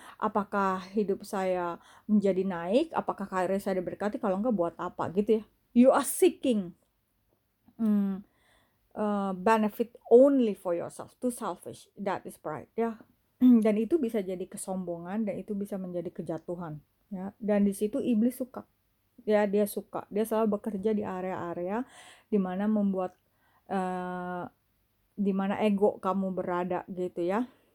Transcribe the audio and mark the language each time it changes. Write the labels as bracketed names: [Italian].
[Indonesian] Apakah hidup saya menjadi naik? Apakah karir saya diberkati? Kalau enggak, buat apa, gitu ya? [English] You are seeking benefit only for yourself, too selfish. That is pride, ya. [Indonesian] Dan itu bisa jadi kesombongan, dan itu bisa menjadi kejatuhan, ya. Dan di situ iblis suka, ya, dia suka, dia selalu bekerja di area-area di mana membuat dimana ego kamu berada, gitu ya.